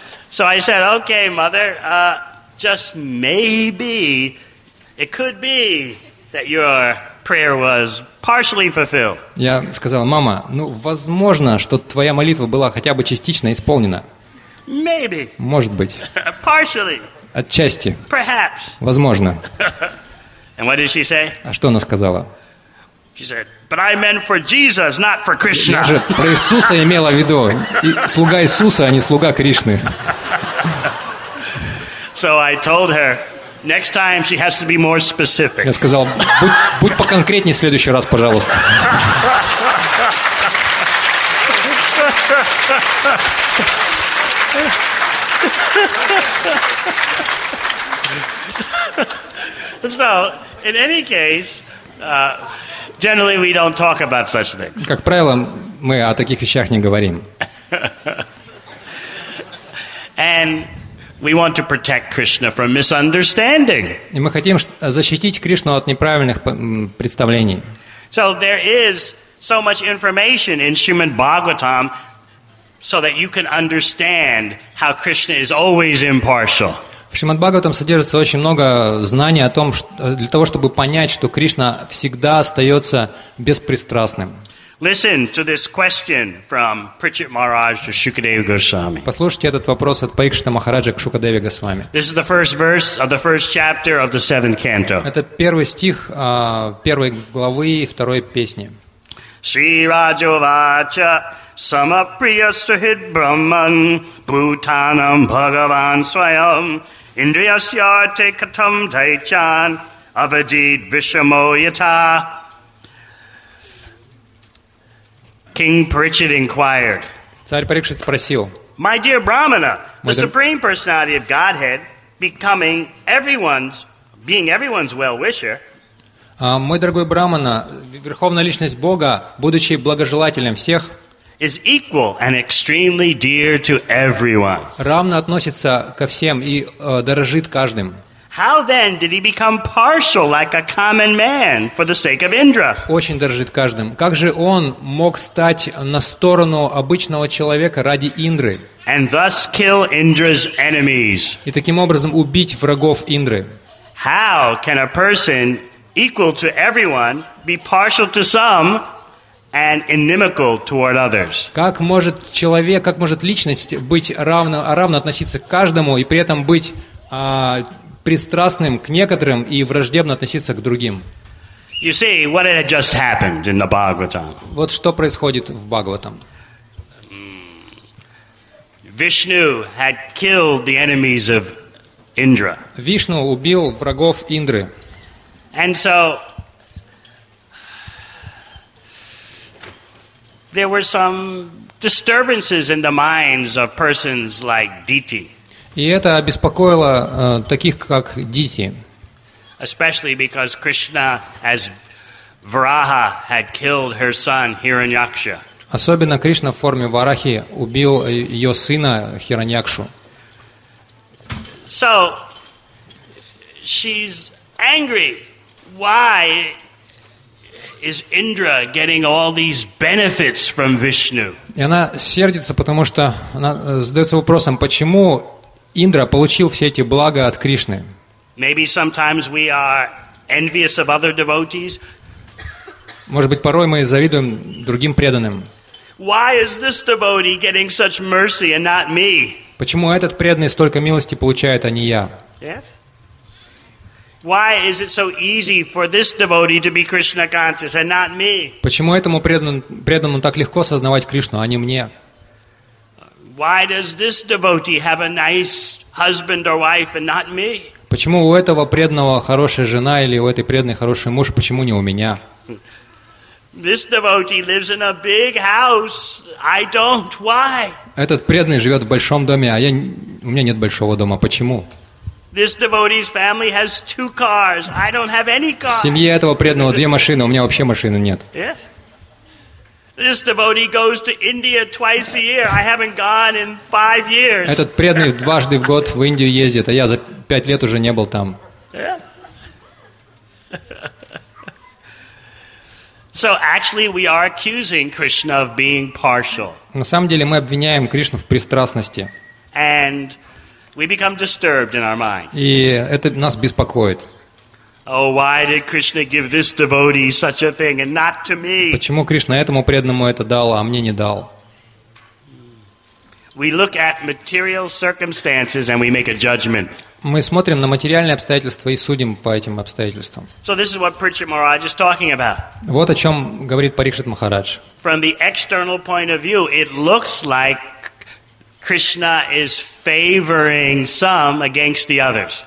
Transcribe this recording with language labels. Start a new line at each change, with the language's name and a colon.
English: So I said, okay, mother, just maybe it could be that your prayer was partially fulfilled.
Russian: Я сказала, мама, ну, возможно, что твоя молитва была хотя бы частично исполнена.
English: Maybe.
Russian: Может быть.
English: Partially.
Russian: Отчасти.
English: Perhaps.
Russian: Возможно.
English: And what did she say?
Russian: А что она сказала?
English: She said, but I meant for Jesus, not for Krishna.
Russian: Я же про Иисуса имела в виду. И слуга Иисуса, а не слуга Кришны.
English: So I told her, next time she has to be more specific.
Russian: Я сказал, будь поконкретнее в следующий раз, пожалуйста.
English: So, in any case, generally we don't talk about such things.
Russian: Как правило, мы о таких вещах не говорим.
English: And we want to protect Krishna from misunderstanding.
Russian: И мы хотим защитить Кришну от неправильных представлений.
English: So there is so much information in Srimad Bhagavatam so that you can understand how Krishna is always impartial.
Russian: В Шримад-Бхагаватам содержится очень много знаний о том, для того, чтобы понять, что Кришна всегда остается беспристрастным.
English: Listen to this question from Prichit Maharaj to Shukadeva Goswami.
Russian: Послушайте этот вопрос от Парикшита Махараджа к Шукадеве Госвами.
English: This is the first verse of the first chapter of the seventh canto.
Russian: Это первый стих первой главы второй песни.
Sanskrit: Sri Raja Vacha Samapriyasthid Brahman Bhutanam Bhagavan Swayam Indriyasyate Katam Daichan Avadid Vishamoyata.
English: King Parikshit inquired.
Russian: Царь Парикшит спросил.
English: My dear Brahmana, the Supreme Personality of Godhead, being everyone's well-wisher.
Russian: Мой дорогой Брахмана, верховная личность Бога, будучи благожелателем всех,
English: is equal and extremely dear to everyone.
Russian: Равно относится ко всем и дорожит каждым.
English: How then did he become partial like a common man for the sake of Indra?
Russian: Очень дорожит каждым. Как же он мог стать на сторону обычного человека ради Индры?
English: And thus kill Indra's enemies.
Russian: И таким образом убить врагов Индры.
English: How can a person equal to everyone be partial to some and inimical toward others?
Russian: Как может человек, как может личность быть равно относиться к каждому и при этом быть пристрастным к некоторым и враждебно относиться к другим?
English: You see, what had just happened in the Bhagavatam.
Russian: Вот что происходит в Бхагаватам.
English: Vishnu had killed the enemies of Indra.
Russian: Вишну убил врагов Индры.
English: And so there were some disturbances in the minds of persons like Diti.
Russian: И это обеспокоило таких как Дити.
English: Especially because Krishna, as Varaha, had killed her son Hiranyaksha.
Russian: Особенно Кришна в форме Варахи убил ее сына Хираньякшу.
English: So she's angry. Why is Indra getting all these benefits from Vishnu?
Russian: И она сердится, потому что она задается вопросом, почему Индра получил все эти блага от Кришны?
English: Maybe sometimes we are envious of other devotees.
Russian: Может быть, порой мы завидуем другим преданным.
English: Why is this devotee getting such mercy and not me?
Russian: Почему этот преданный столько милости получает, а не я?
English: Yes. Why is it so easy for this devotee to be Krishna conscious and not me?
Russian: Почему этому преданному так легко осознавать Кришну, а не мне?
English: Why does this devotee have a nice husband or wife and not me?
Russian: Почему у этого преданного хорошая жена или у этой преданной хороший муж, почему не у меня?
English: This devotee lives in a big house. I don't. Why?
Russian: Этот преданный живет в большом доме, а у меня нет большого дома. Почему?
English: This devotee's family has two cars. I don't have any cars.
Russian: В семье этого преданного две машины, у меня вообще машины нет.
English: Yes. This devotee goes to India twice a year. I haven't gone in 5 years.
Russian: Этот преданный дважды в год в Индию ездит, а я за 5 лет уже не был там.
English: So actually we are accusing Krishna of being partial.
Russian: На самом деле мы обвиняем Кришну в пристрастности.
English: And we become disturbed in our mind.
Russian: И это нас беспокоит.
English: Oh, why did Krishna give this devotee such a thing and not to me?
Russian: Почему Кришна этому преданному это дал, а мне не дал?
English: We look at material circumstances and we make a judgment.
Russian: Мы смотрим на материальные обстоятельства и судим по этим обстоятельствам.
English: So this is what Parikshit Maharaj is talking about.
Russian: Вот о чем говорит Парикшит Махарадж.
English: From the external point of view, it looks like Krishna is favoring some against the others.